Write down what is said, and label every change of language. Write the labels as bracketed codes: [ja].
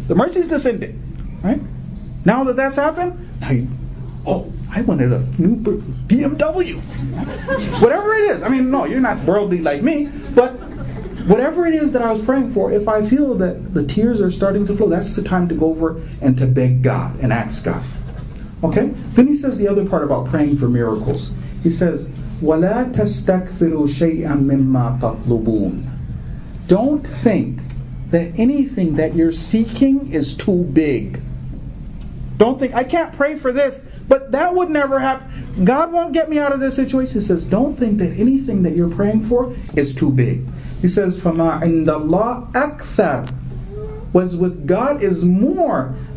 [en] The mercy is descending, right? Now that that's happened, now you, oh, I wanted a new BMW. Whatever it is, I mean, no, you're not worldly like me, but whatever it is that I was praying for, if I feel that the tears are starting to flow, that's the time to go over and to beg God and ask God, okay? Then he says the other part about praying for miracles. He says, [ar] وَلَا تَسْتَكْثِرُوا شَيْئًا مِمَّا تَطْلُبُونَ. [en] Don't think that anything that you're seeking is too big. Don't think, I can't pray for this, but that would never happen. God won't get me out of this situation. He says, don't think that anything that you're praying for is too big. He says, [ar] فَمَا عِنْدَ اللَّهِ أَكْثَرُ, [en] what's with God is more.